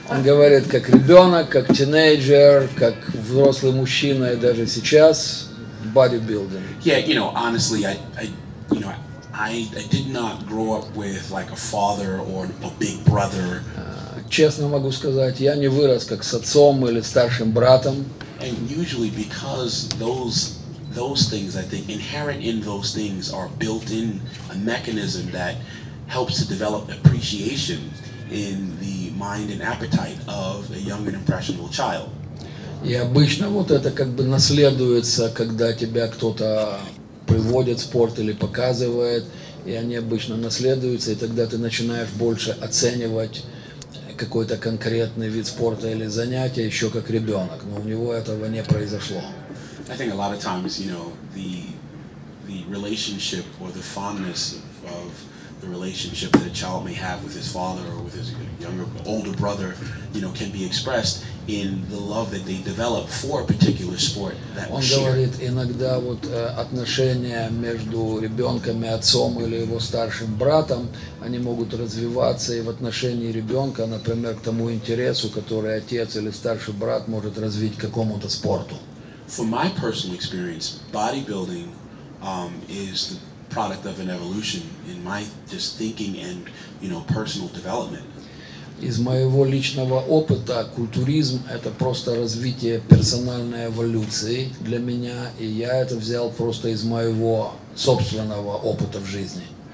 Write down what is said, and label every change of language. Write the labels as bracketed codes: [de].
[ru] Он говорит как ребенок, как тинейджер, как взрослый мужчина и даже сейчас bodybuilding. [en] Yeah, you know, honestly, I did not grow up with like a father or a big brother. [ru] Честно могу сказать, я не вырос как с отцом или старшим братом. [en] And usually because those things, I think, inherent in those things are built in a mechanism that helps to develop appreciation in the mind and appetite of a young and impressionable child. [ru] И обычно вот это как бы наследуется, когда тебя кто-то приводит в спорт или показывает, и они обычно наследуются, и тогда ты начинаешь больше оценивать какой-то конкретный вид спорта или занятия еще как ребенок, но у него этого не произошло. [en] I think a lot of times, you know, the relationship or the fondness of the relationship that a child may have with his father or with his younger, older brother, you know, can be expressed in the love that they develop for a particular sport that [ru] он говорит, иногда вот отношения между ребенком и отцом или его старшим братом, они могут развиваться и в отношении ребенка, например, к тому интересу, который отец или старший брат может развить к какому-то спорту. [en] From my personal experience, bodybuilding is the product of an evolution in my just thinking and, you know, personal development. [ru] Из моего личного опыта культуризм – это просто развитие персональной эволюции для меня, и я это взял просто из моего собственного опыта в жизни.